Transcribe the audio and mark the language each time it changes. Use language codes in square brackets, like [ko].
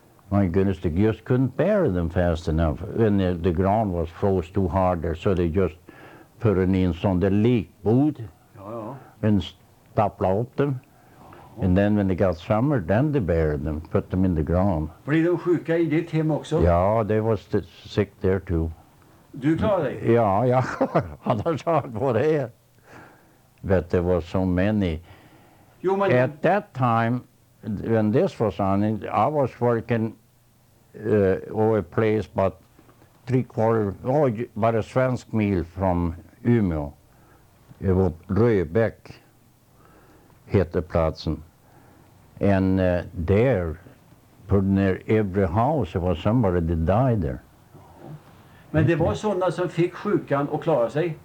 [en] My goodness, they just couldn't bury them fast enough. And the ground was froze too hard there, so they just put it in some of the likbod and stapla up them. Ja. And then when they got summer, then they buried them, put them in the ground. [sv] Blir de sjuka i ditt hem också? [en] Ja, they was sick there too. [sv] Du klarade dig? Ja, jag klarade. Annars har jag varit här. [en] But there was so many. [sv] Jo, men [en] at that time, when this was on, I was working over a place about about a svensk mil from Umeå. It was Röbäck, [sv] heter platsen. [en] And there, put near every house, there was somebody that died there. [sv] Men det var sådana som fick sjukan och klarade sig?